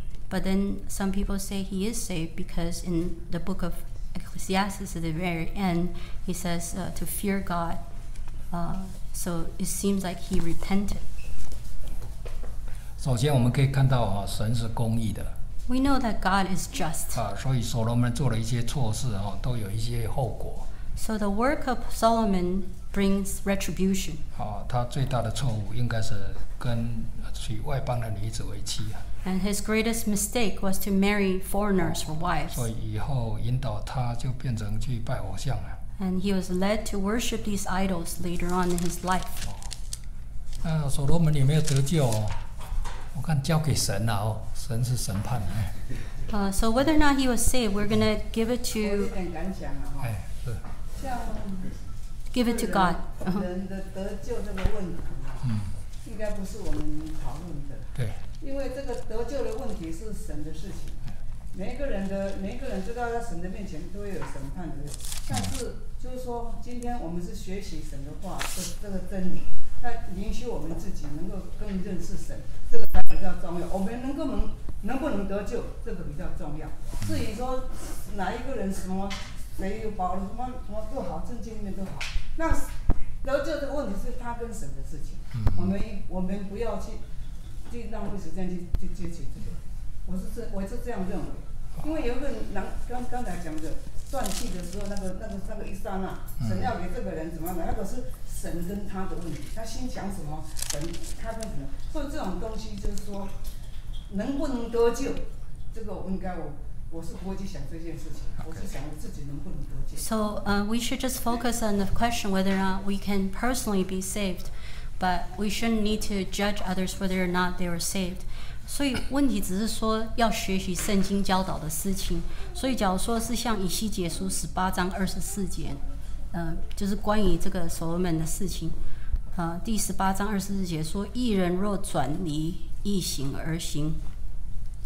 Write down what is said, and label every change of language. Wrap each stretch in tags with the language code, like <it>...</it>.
<en>But then some people say he is saved because in the book of Ecclesiastes at the very end, he says to fear God. So it seems like he repented.</en> <zh>首先我们可以看到神是公义的。</zh> <en>We know that God is just.</en> <zh>所以所罗门做了一些错事都有一些后果。</zh> <en>So the work of Solomon brings retribution.</en> <zh>他最大的错误应该是跟娶外邦的女子为妻。</zh> <en>And his greatest mistake was to marry foreigners for wives.</en> <zh>所以以后引导他就变成去拜偶像了。</zh> <en>And he was led to worship these idols later on in his life.</en> <zh>所罗门有没有得救？我看交给神了神是审判的。</zh> <en>So whether or not he was saved, we're going to give it to...</en> <zh>我有点感想了是。像</zh> <en>give it to God.</en> <zh>人的得救这个问题应该不是我们讨论的。对。因为这个得救的问题是神的事情，每一个人知道在神的面前都会有审判的。但是就是说，今天我们是学习神的话，这个真理，它允许我们自己能够更认识神，这个才比较重要。我们能不能得救，这个比较重要。至于说哪一个人什么没有保留什么都好，正经里面都好，那得救的问题是他跟神的事情，我们不要去。浪费时间去接近这个，我是这样认为，因为有一个人刚才讲的断气的时候，那个一刹那，神要给这个人怎么样？那个是神跟他的问题，他心想什么，神他跟什么，所以这种东西就是说，能不能得救，这个我是不会去想这件事情， okay. 我是想我自己能不能得救。</zh> <en>So, we should just focus on the question whether or not we can personally be saved. But we shouldn't need to judge others whether or not they were saved.</en> <zh>所以问题只是说要学习圣经教导的事情。所以假如说是像以西结书十八章二十四节，就是关于这个所罗门的事情。第十八章二十四节说：“一人若转离异行而行。”</zh>